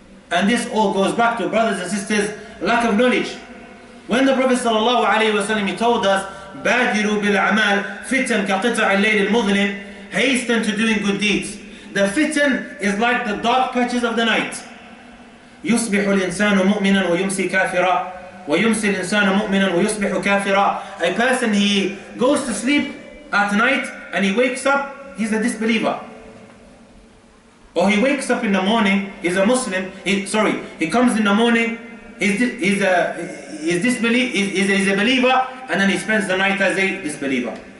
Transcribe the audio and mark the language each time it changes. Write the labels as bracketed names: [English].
[English] And this all goes back to, brothers and sisters, lack of knowledge. When the Prophet sallallahu alayhi wa sallam told us, [Arabic] بَادِرُوا بِالْعَمَالِ فِتَّنْ كَقِطَعِ اللَّيْلِ الْمُظْلِمِ. [English] Hasten to doing good deeds. The fitan is like the dark patches of the night. [Arabic] يصبح الإنسان مؤمنا ويمسي كافرا ويمسي الإنسان مؤمنا ويصبح كافرا. [English] A person, he goes to sleep at night and he wakes up, he's a disbeliever. Or he wakes up in the morning, he's a Muslim, he comes in the morning, he's a believer, and then he spends the night as a disbeliever.